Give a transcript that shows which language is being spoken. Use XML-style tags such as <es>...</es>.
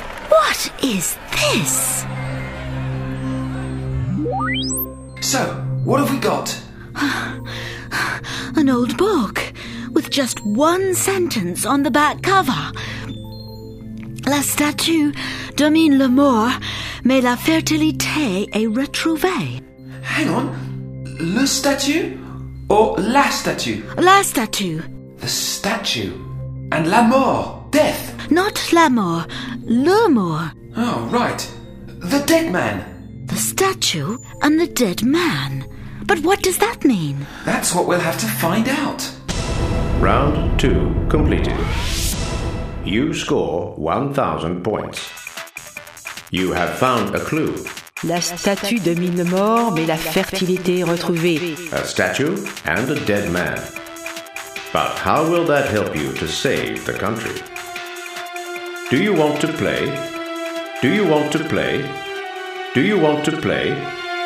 <en>What is this? So, what have we got? An old book with just one sentence on the back cover.</en> <fr>La statue domine le mort, mais la fertilité est retrouvée.</fr> <en>Hang on. Le statue or la statue?</en> <fr>La statue.</fr> <en>The statue. And la mort, death.</en> <fr>Not la mort, le mort.</fr> <en>Oh, right. The dead man. The statue and the dead man. But what does that mean? That's what we'll have to find out. Round 2 completed. You score 1,000 points. You have found a clue.</en> <fr>La statue de mille morts, mais la fertilité est retrouvée.</fr> <en>A statue and a dead man. But how will that help you to save the country? Do you want to play? Do you want to play? Do you want to play?</en>